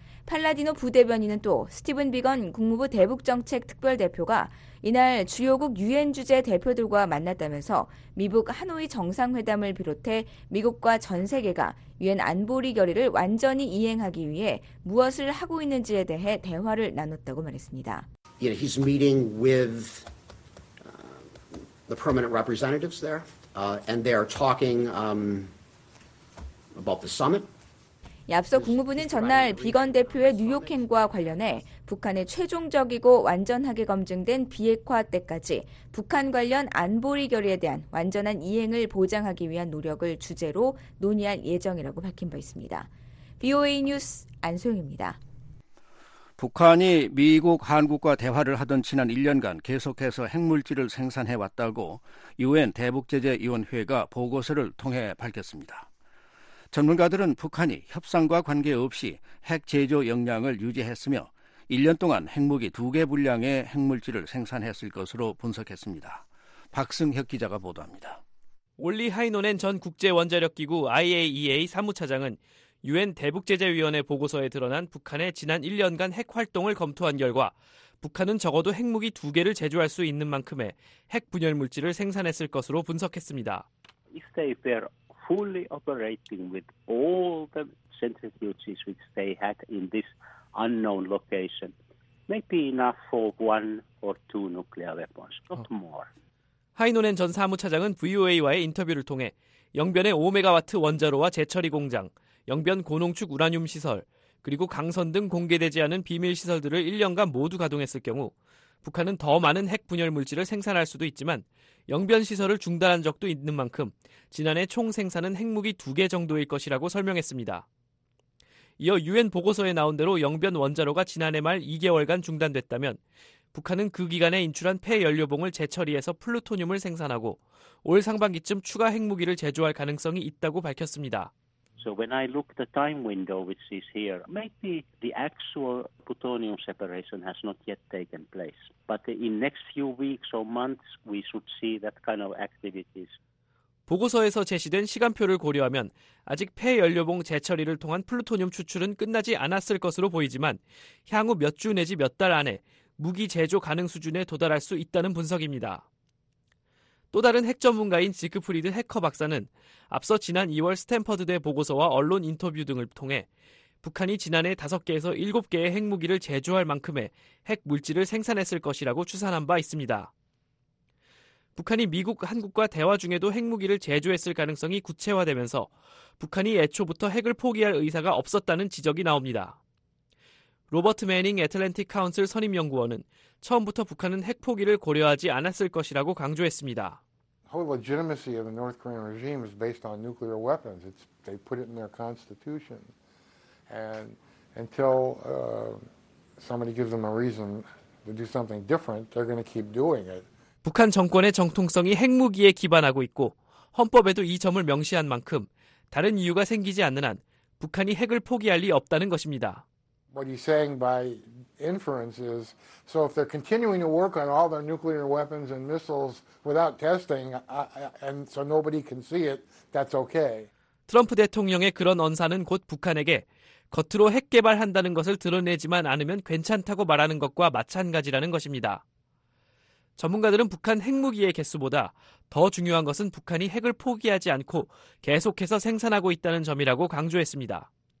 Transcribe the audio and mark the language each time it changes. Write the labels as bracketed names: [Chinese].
[Korean] 팔라디노 부대변인은 또 스티븐 비건 국무부 대북정책특별대표가 이날 주요국 유엔 주재 대표들과 만났다면서 미북 하노이 정상회담을 비롯해 미국과 전 세계가 유엔 안보리 결의를 완전히 이행하기 위해 무엇을 하고 있는지에 대해 대화를 나눴다고 말했습니다. [English] You know, he's meeting with the permanent representatives there, and they are talking about the summit. [Korean] 앞서 국무부는 전날 비건 대표의 뉴욕행과 관련해 북한의 최종적이고 완전하게 검증된 비핵화 때까지 북한 관련 안보리 결의에 대한 완전한 이행을 보장하기 위한 노력을 주제로 논의할 예정이라고 밝힌 바 있습니다. BOA 뉴스 안소영입니다. 북한이 미국, 한국과 대화를 하던 지난 1년간 계속해서 핵물질을 생산해왔다고 유엔 대북제재위원회가 보고서를 통해 밝혔습니다. 전문가들은 북한이 협상과 관계없이 핵 제조 역량을 유지했으며 1년 동안 핵무기 2개 분량의 핵물질을 생산했을 것으로 분석했습니다. 박승혁 기자가 보도합니다. 올리 하이노넨 전 국제원자력기구 IAEA 사무차장은 유엔 대북제재위원회 보고서에 드러난 북한의 지난 1년간 핵 활동을 검토한 결과 북한은 적어도 핵무기 2개를 제조할 수 있는 만큼의 핵 분열 물질을 생산했을 것으로 분석했습니다. [English] If they fail fully operating with all the centrifuges which they had in this unknown location, maybe enough for one or two nuclear weapons, not more. [Korean] 하이노넨 전 사무차장은 VOA와의 인터뷰를 통해 영변의 5메가와트 원자로와 재처리 공장, 영변 고농축 우라늄 시설, 그리고 강선 등 공개되지 않은 비밀 시설들을 1년간 모두 가동했을 경우 북한은 더 많은 핵 분열 물질을 생산할 수도 있지만 영변 시설을 중단한 적도 있는 만큼 지난해 총 생산은 핵무기 2개 정도일 것이라고 설명했습니다. 이어 유엔 보고서에 나온 대로 영변 원자로가 지난해 말 2개월간 중단됐다면 북한은 그 기간에 인출한 폐연료봉을 재처리해서 플루토늄을 생산하고 올 상반기쯤 추가 핵무기를 제조할 가능성이 있다고 밝혔습니다. [English] So when I look at the time window which is here, maybe the actual plutonium separation has not yet taken place. But in next few weeks or months, we should see that kind of activities. [Korean] 보고서에서 제시된 시간표를 고려하면 아직 폐연료봉 재처리를 통한 플루토늄 추출은 끝나지 않았을 것으로 보이지만 향후 몇 주 내지 몇 달 안에 무기 제조 가능 수준에 도달할 수 있다는 분석입니다. 또 다른 핵 전문가인 지크프리드 해커 박사는 앞서 지난 2월 스탠퍼드대 보고서와 언론 인터뷰 등을 통해 북한이 지난해 5개에서 7개의 핵무기를 제조할 만큼의 핵 물질을 생산했을 것이라고 추산한 바 있습니다. 북한이 미국, 한국과 대화 중에도 핵무기를 제조했을 가능성이 구체화되면서 북한이 애초부터 핵을 포기할 의사가 없었다는 지적이 나옵니다. 로버트 매닝 애틀랜틱 카운슬 선임연구원은 처음부터 북한은 핵 포기를 고려하지 않았을 것이라고 강조했습니다. [English] The legitimacy of the North Korean regime is based on nuclear weapons. It's they put it in their constitution. And until somebody gives them a reason to do something different, they're going to keep doing it. [Korean] 북한 정권의 정통성이 핵무기에 기반하고 있고 헌법에도 이 점을 명시한 만큼 다른 이유가 생기지 않는 한 북한이 핵을 포기할 리 없다는 것입니다. [English] What he's saying by inference is, so if they're continuing to work on all their nuclear weapons and missiles without testing, and so nobody can see it, that's okay. [Korean] 트럼프 대통령의 그런 언사는 곧 북한에게 겉으로 핵 개발한다는 것을 드러내지만 않으면 괜찮다고 말하는 것과 마찬가지라는 것입니다. 전문가들은 북한 핵무기의 개수보다 더 중요한 것은 북한이 핵을 포기하지 않고 계속해서 생산하고 있다는 점이라고 강조했습니다.